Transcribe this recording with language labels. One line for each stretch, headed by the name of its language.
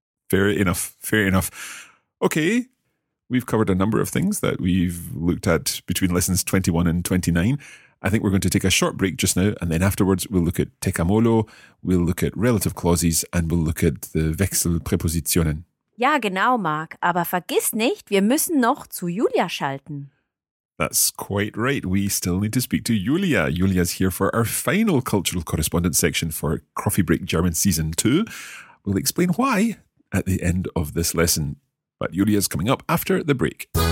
English: Fair enough. Okay. We've covered a number of things that we've looked at between lessons 21 and 29. I think we're going to take a short break just now, and then afterwards we'll look at Tecamolo, we'll look at relative clauses, and we'll look at the Wechselpräpositionen.
German: Ja, genau, Marc. Aber vergiss nicht, wir müssen noch zu Julia schalten.
English: That's quite right. We still need to speak to Julia. Julia's here for our final cultural correspondence section for Coffee Break German Season 2. We'll explain why at the end of this lesson. But Julia's coming up after the break.